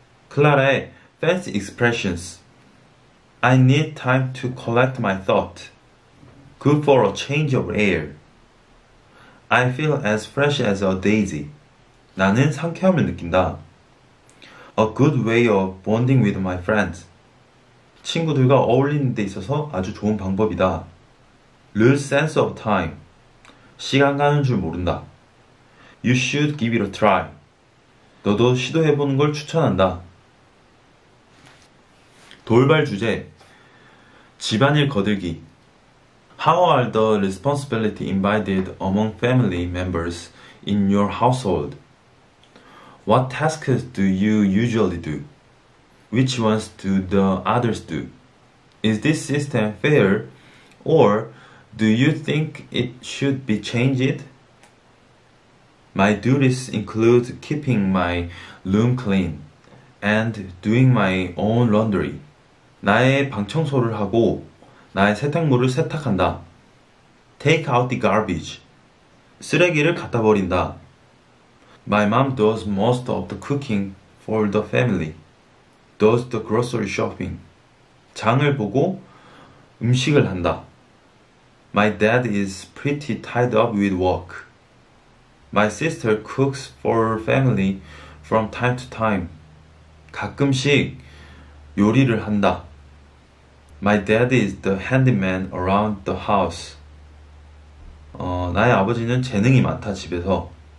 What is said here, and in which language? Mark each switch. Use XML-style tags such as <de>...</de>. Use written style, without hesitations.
<en>Clara, fancy expressions. I need time to collect my thought. Good for a change of air. I feel as fresh as a daisy.</en> <ko>나는 상쾌함을 느낀다.</ko> <en>A good way of bonding with my friends.</en> <ko>친구들과 어울리는 데 있어서 아주 좋은 방법이다.</ko> <en>Lose sense of time.</en> <ko>시간 가는 줄 모른다.</ko> <en>You should give it a try.</en> <ko>너도 시도해보는 걸 추천한다. 돌발 주제. 집안일 거들기.</ko> <en>How are the responsibilities invited among family members in your household? What tasks do you usually do? Which ones do the others do? Is this system fair, or do you think it should be changed? My duties include keeping my room clean and doing my own laundry.</en> <ko>나의 방 청소를 하고 나의 세탁물을 세탁한다.</ko> <en>Take out the garbage.</en> <ko>쓰레기를 갖다 버린다.</ko> <en>My mom does most of the cooking for the family. Does the grocery shopping.</en> <ko>장을 보고 음식을 한다.</ko> <en>My dad is pretty tied up with work. My sister cooks for family from time to time.</en> <ko>가끔씩 요리를 한다.</ko> <en>My dad is the handyman around the house.</en> <ko>나의 아버지는 재능이 많다, 집에서.</ko>